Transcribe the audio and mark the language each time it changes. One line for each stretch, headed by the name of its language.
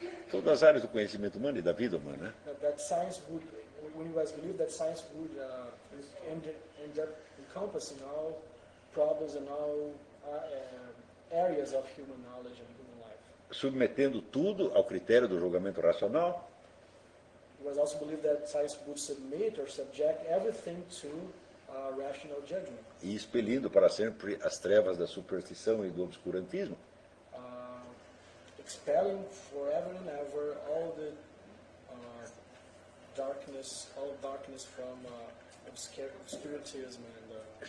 Portuguese: todas as áreas do conhecimento humano e da vida humana,
English: that science would, when it was believed that science would end up encompassing all problems and all areas of human knowledge and human life,
Portuguese: submetendo tudo ao critério do julgamento racional.
English: It was also believed that science would submit or subject everything to rational judgment,
Portuguese: e expelindo para sempre as trevas da superstição e do obscurantismo.
English: Expelling forever and ever all the darkness from obscurantism and